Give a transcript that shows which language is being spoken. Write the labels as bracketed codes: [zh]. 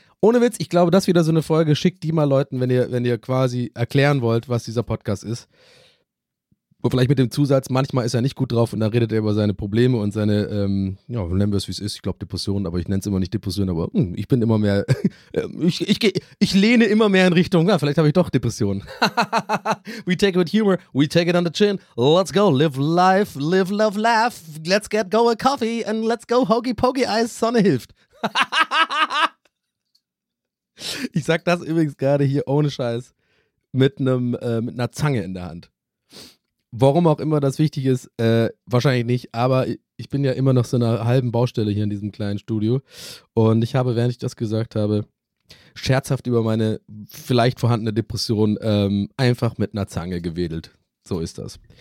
[de] Ohne Witz, ich glaube, das ist wieder so eine Folge, schickt die mal Leuten, wenn ihr quasi erklären wollt, was dieser Podcast ist. Und vielleicht mit dem Zusatz, manchmal ist er nicht gut drauf und dann redet er über seine Probleme und seine, nennen wir es wie es ist, ich glaube Depressionen, aber ich nenne es immer nicht Depressionen, aber ich bin immer mehr, ich lehne immer mehr in Richtung, ja, vielleicht habe ich doch Depressionen. [en] We take it with humor, we take it on the chin, let's go, live life, live love laugh, let's get go a coffee and let's go hokey pokey eyes, [de] Sonne hilft. Ich sag das übrigens gerade hier ohne Scheiß mit einer Zange in der Hand. Warum auch immer das wichtig ist, wahrscheinlich nicht, aber ich bin ja immer noch so einer halben Baustelle hier in diesem kleinen Studio und ich habe, während ich das gesagt habe, scherzhaft über meine vielleicht vorhandene Depression einfach mit einer Zange gewedelt. So ist das.